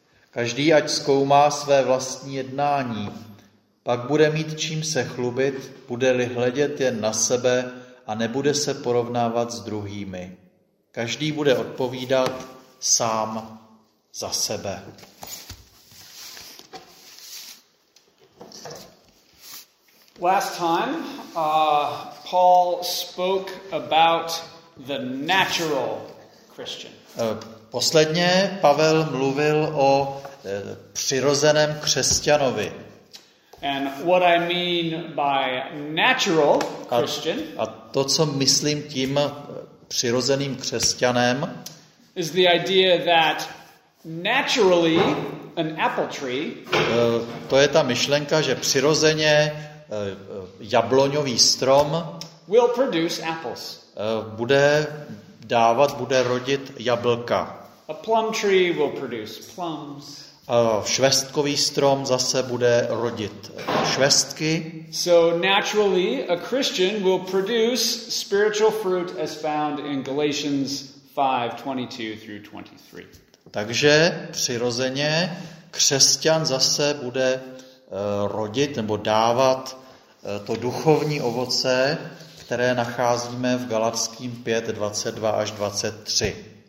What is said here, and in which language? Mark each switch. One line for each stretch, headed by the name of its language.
Czech: Každý ať zkoumá své vlastní jednání, pak bude mít čím se chlubit, bude-li hledět jen na sebe a nebude se porovnávat s druhými. Každý bude odpovídat sám za sebe.
English: Last time, Paul spoke about the natural Christian.
Czech: Posledně Pavel mluvil o přirozeném křesťanovi.
English: And what I mean by natural Christian,
Czech: a to, co myslím tím přirozeným křesťanem,
English: is the idea that naturally an apple tree,
Czech: to je ta myšlenka, že přirozeně jabloňový strom
English: will produce apples.
Czech: Bude dávat, bude rodit jablka.
English: A plum tree will produce plums.
Czech: Švestkový strom zase bude rodit švestky.
English: So naturally a Christian will produce spiritual fruit as found in Galatians 5:22 through 23.
Czech: Takže přirozeně křesťan zase bude rodit nebo dávat to duchovní ovoce, které nacházíme v Galatským 5:22 až 23.